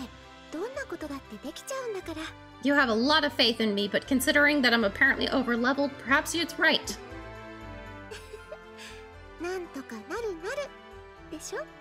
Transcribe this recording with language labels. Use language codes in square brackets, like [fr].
[ja] 大丈夫、大丈夫。錬金術師は道具の使い方次第でどんなことだってできちゃうんだから。 [en] You have a lot of faith in me, but considering that I'm apparently overleveled, perhaps it's right. [ja] なんとかなるなるでしょ?